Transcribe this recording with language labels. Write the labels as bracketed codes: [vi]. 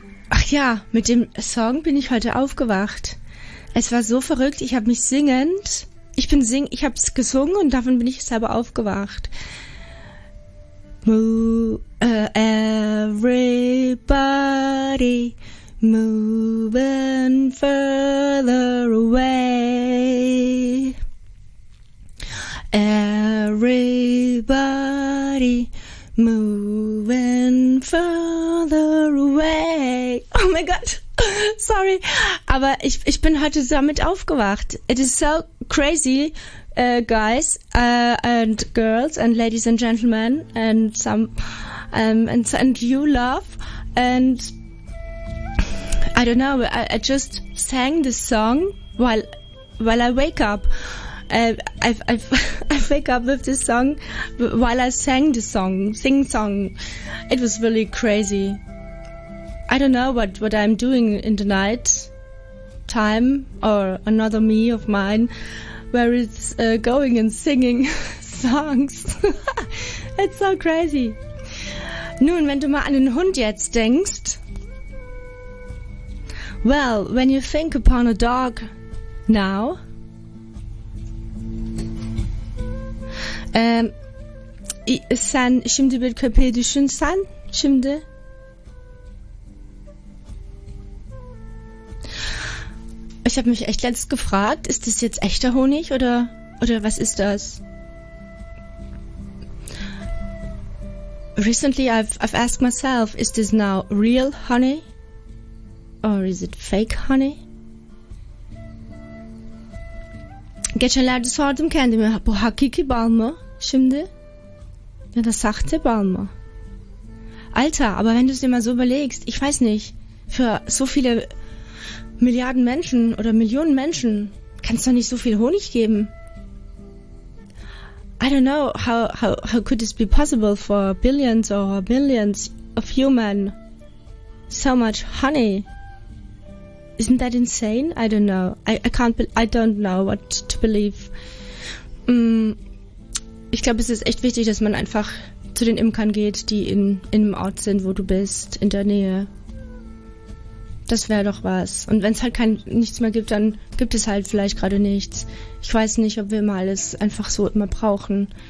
[de] Ach ja, mit dem Song bin ich heute aufgewacht. Es war so verrückt, ich habe es gesungen und davon bin ich selber aufgewacht. [en] Everybody moving further away. Everybody moving further away. Oh my God, sorry. [de] Aber ich bin heute damit aufgewacht. [en] It is so crazy, guys and girls and ladies and gentlemen and some and you love. And I don't know, I just sang this song while I wake up. I wake up with this song while I sang the song, sing song. It was really crazy. I don't know what I'm doing in the night time or another me of mine where it's going and singing songs. It's so crazy. [de] Nun, wenn du mal an den Hund jetzt denkst. [en] Well, when you think upon a dog now. [tr] Sen şimdi bir köpeği düşünsen, şimdi. [de] Ich habe mich echt letztens gefragt, ist das jetzt echter Honig oder was ist das? [en] Recently I've asked myself, is this now real honey or is it fake honey? [tr] Geçenlerde sordum kendime, bu hakiki bal mı? Şimdi? [de] Ja, das sachte Balma. Alter, aber wenn du es dir mal so überlegst, ich weiß nicht, für so viele Milliarden Menschen oder Millionen Menschen kannst du doch nicht so viel Honig geben. [en] I don't know, how could this be possible for billions or millions of human so much honey? Isn't that insane? I don't know. I don't know what to believe. [de] Ich glaube, es ist echt wichtig, dass man einfach zu den Imkern geht, die in einem Ort sind, wo du bist, in der Nähe. Das wäre doch was. Und wenn es halt nichts mehr gibt, dann gibt es halt vielleicht gerade nichts. Ich weiß nicht, ob wir immer alles einfach so immer brauchen.